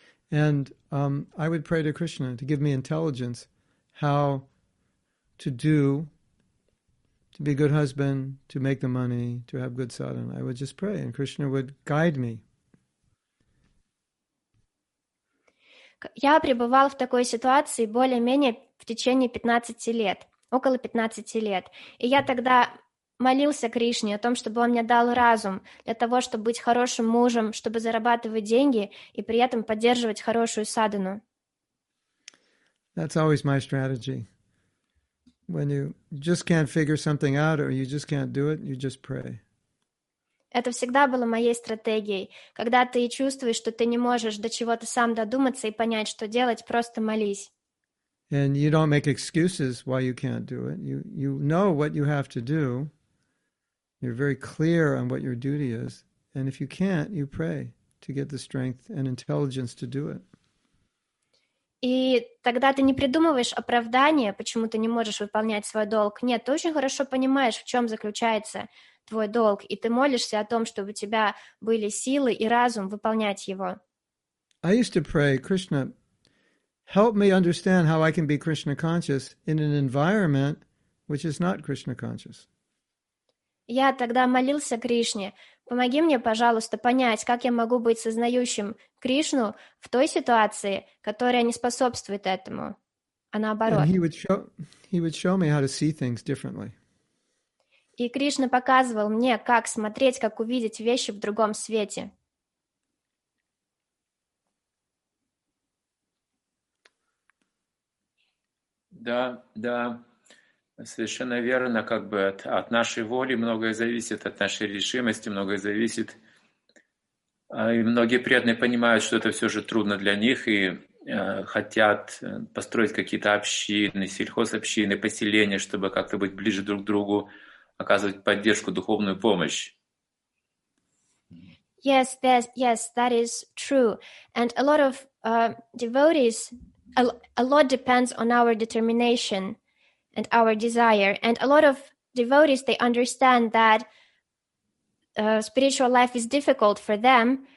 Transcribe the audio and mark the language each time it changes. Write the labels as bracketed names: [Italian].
[English] And I would pray to Krishna to give me intelligence how to do, to be a good husband, to make the money, to have good sadhana. I would just pray, and Krishna would guide me. [Russian] Я пребывал в такой ситуации более-менее в течение 15 лет, около 15 лет. И я тогда молился Кришне о том, чтобы он мне дал разум для того, чтобы быть хорошим мужем, чтобы зарабатывать деньги и при этом поддерживать хорошую садхану. [English] That's always my strategy. When you just can't figure something out or you just can't do it, you just pray. [Russian] Это всегда было моей стратегией. Когда ты чувствуешь, что ты не можешь до чего-то сам додуматься и понять, что делать, просто молись. [English] And you don't make excuses why you can't do it. You know what you have to do. You're very clear on what your duty is. And if you can't, you pray to get the strength and intelligence to do it. [Russian] И тогда ты не придумываешь оправдания, почему ты не можешь выполнять свой долг. Нет, ты очень хорошо понимаешь, в чем заключается твой долг, и ты молишься о том, чтобы у тебя были силы и разум выполнять его. [English] I used to pray, Krishna, help me understand how I can be Krishna conscious in an environment which is not Krishna conscious. [Russian] Я тогда молился Кришне, помоги мне, пожалуйста, понять, как я могу быть сознающим Кришну в той ситуации, которая не способствует этому, а наоборот. [English] And he would show me how to see things differently. [Russian] И Кришна показывал мне, как смотреть, как увидеть вещи в другом свете. Да, да. Совершенно верно, как бы от нашей воли многое зависит, от нашей решимости многое зависит. И многие преданные понимают, что это все же трудно для них и хотят построить какие-то общины, сельхозобщины, поселения, чтобы как-то быть ближе друг к другу, оказывать поддержку, духовную помощь. [English] Yes, that is true. And a lot of devotees, a lot depends on our determination and our desire. And a lot of devotees, they understand that spiritual life is difficult for them.